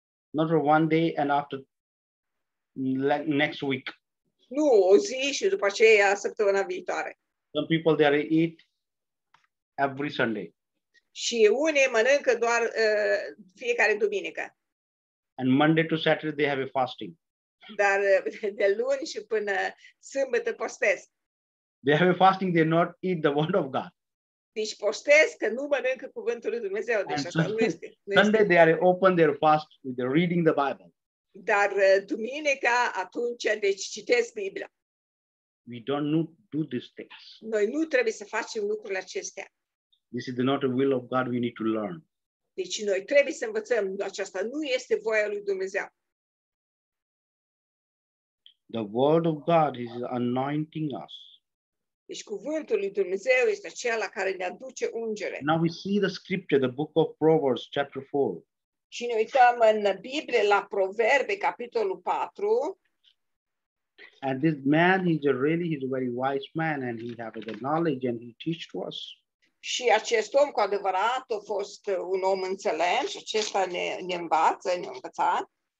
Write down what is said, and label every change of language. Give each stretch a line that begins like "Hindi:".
English: Not for one day and after next week.
Romanian: Nu, o zi și după aceea săptămâna viitoare.
English: Some people there eat every Sunday.
Romanian: Și unii mănâncă doar fiecare duminică.
English: And Monday to Saturday they have a fasting.
Romanian: Dar de luni și până sâmbătă postesc.
English: They have a fasting, they not eat the word of God.
Romanian: Deci postesc că nu mănâncă Cuvântul lui Dumnezeu. Deci așa,
English: Sunday,
Romanian: nu este.
English: Sunday they are open their fast with the reading the Bible.
Romanian: Dar duminica atunci deci citesc Biblia.
English: We don't need to do these things.
Romanian: Noi nu trebuie să facem lucrurile acestea.
English: This is not the will of God, we need to learn.
Romanian: Deci noi trebuie să învățăm, aceasta nu este voia lui Dumnezeu.
English: The word of God is anointing us.
Romanian: Deci Cuvântul lui Dumnezeu este acela care ne aduce ungere.
English: Now we see the scripture, the book of Proverbs, chapter 4.
Romanian: Și ne uităm în Biblie la Proverbe, capitolul 4.
English: And this man, he's a very wise man and he has the knowledge and he teaches to us.
Romanian: Și acest om cu adevărat a fost un om înțelept și acesta ne învață, ne-a învățat.